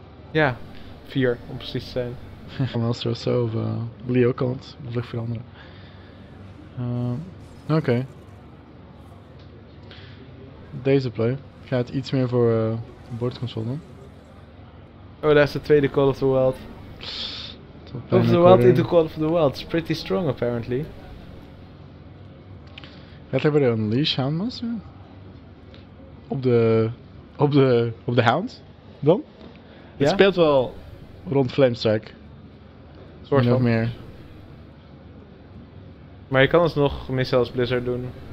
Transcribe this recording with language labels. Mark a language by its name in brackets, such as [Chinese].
[Dutch] Ja, 4 om precies te zijn. Van Astro zo of Leo kan het, de lucht veranderen. Oké. Deze play. Gaat iets meer voor board control dan. Oh, daar is de tweede Call of the Wild. [English] Of the Wild into Call of the Wild. It's pretty strong apparently. [Dutch] Gaat hij weer een Unleash Houndmaster? Op de Hound? Dan? Ja? Het speelt wel rond Flamestrike. Zorg nog meer. Maar je kan het nog Missile als Blizzard doen.